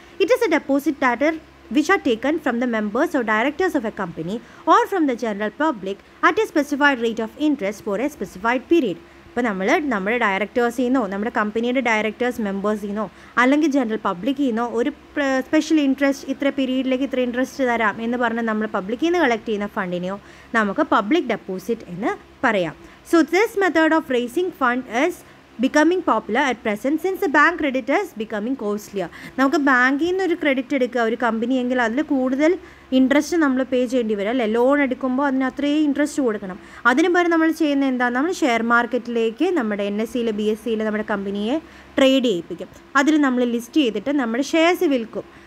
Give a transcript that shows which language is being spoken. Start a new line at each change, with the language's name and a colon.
English: It is a deposit data which are taken from the members or directors of a company or from the general public at a specified rate of interest for a specified period.
Malayalam: ഇപ്പോൾ നമ്മൾ നമ്മുടെ ഡയറക്ടേഴ്സിൽ നിന്നോ നമ്മുടെ കമ്പനിയുടെ directors മെമ്പേഴ്സിൽ നിന്നോ അല്ലെങ്കിൽ general പബ്ലിക്കിൽ നിന്നോ ഒരു സ്പെഷ്യൽ ഇൻട്രസ്റ്റ്, ഇത്ര പീരീഡിലേക്ക് ഇത്ര ഇൻട്രസ്റ്റ് തരാം എന്ന് പറഞ്ഞ് നമ്മൾ പബ്ലിക്കിൽ നിന്ന് കളക്ട് ചെയ്യുന്ന ഫണ്ടിനെയോ നമുക്ക് പബ്ലിക് ഡെപ്പോസിറ്റ് എന്ന് പറയാം.
English: So this method of raising fund is becoming popular at present since the bank credit is becoming costlier.
Malayalam: നമുക്ക് ബാങ്കിൽ നിന്ന് ഒരു ക്രെഡിറ്റ് എടുക്കുക ഒരു കമ്പനി എങ്കിൽ അതിൽ കൂടുതൽ ഇൻട്രസ്റ്റ് നമ്മൾ പേ ചെയ്യേണ്ടി വരും അല്ലേ. ലോൺ എടുക്കുമ്പോൾ അതിന് അത്രയും ഇൻട്രസ്റ്റ് കൊടുക്കണം. അതിന് പകരം നമ്മൾ ചെയ്യുന്നത് എന്താ, നമ്മൾ ഷെയർ മാർക്കറ്റിലേക്ക് നമ്മുടെ NSEയിലെ BSEയിലെ നമ്മുടെ കമ്പനിയെ ട്രേഡ് ചെയ്യിപ്പിക്കും, അതിൽ നമ്മൾ ലിസ്റ്റ് ചെയ്തിട്ട് നമ്മുടെ ഷെയർസ് വിൽക്കും.